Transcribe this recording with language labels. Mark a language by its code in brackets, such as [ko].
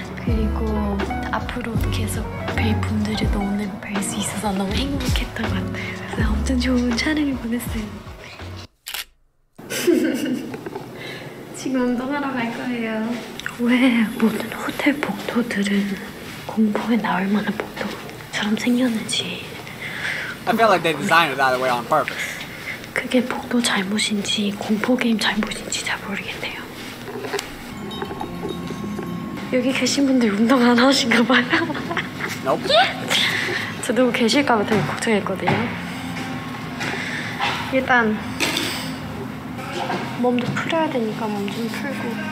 [ko] 그리고 앞으로도 계속 베이분들이 오늘 뵐 수 있어서 너무 행복했던 것 같아요. 그래서 엄청 좋은 촬영을 보냈어요. 지금 운동하러 갈 거예요. 왜 모든 호텔 복도들은 공포에 나올 만한 복도처럼 생겼는지. [en] I feel like they designed it that way on purpose. [ko] 그게 복도 잘못인지 공포 게임 잘못인지 잘 모르겠네요. 여기 계신 분들 운동 안 하신가 봐요. [en] Nope. [ko] 저 누구 계실까 봐 되게 걱정했거든요. 일단 몸도 풀어야 되니까 몸 좀 풀고.